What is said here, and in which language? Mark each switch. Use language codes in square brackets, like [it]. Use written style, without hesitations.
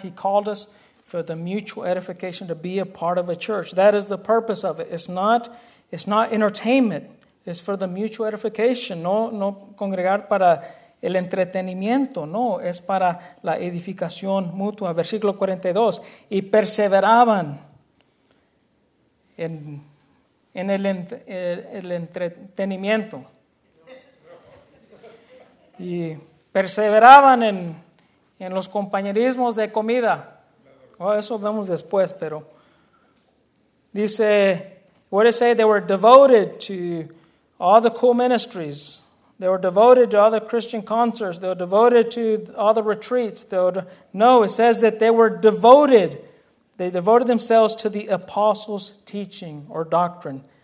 [en] He called us for the mutual edification to be a part of a church. That is the purpose of it. It's not entertainment. It's for the mutual edification. [es] No congregar para el entretenimiento, no, es para la edificación mutua. Versículo 42. Y perseveraban en el entretenimiento. Y perseveraban en los compañerismos de comida. Oh, eso vemos después, pero dice, [en] what did it say? They were devoted to all the cool ministries. They were devoted to all the Christian concerts. They were devoted to all the retreats. It says that they were devoted. They devoted themselves to the apostles' teaching or doctrine.